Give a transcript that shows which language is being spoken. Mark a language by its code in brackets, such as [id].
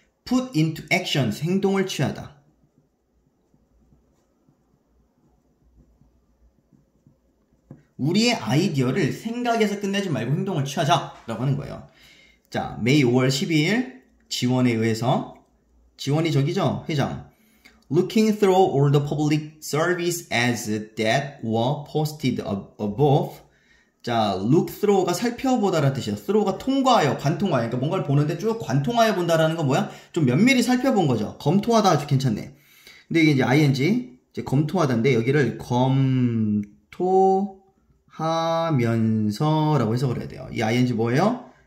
[en] Put into action. [ko] 행동을 취하다. 우리의 아이디어를 생각해서 끝내지 말고 행동을 취하자 라고 하는 거예요. 자, May 5월 12일 지원에 의해서 지원이 저기죠? 회장. [en] Looking through all the public service ads that were posted above. [ko] 자, look through가 살펴보다라는 뜻이에요. through가 통과하여, 관통하여. 그러니까 뭔가를 보는데 쭉 관통하여 본다라는 건 뭐야? 좀 면밀히 살펴본 거죠. 검토하다 아주 괜찮네. 근데 이게 이제 ing, 이제 검토하다인데 여기를 검토하면서라고 해석을 해야 돼요. 이 ing 뭐예요?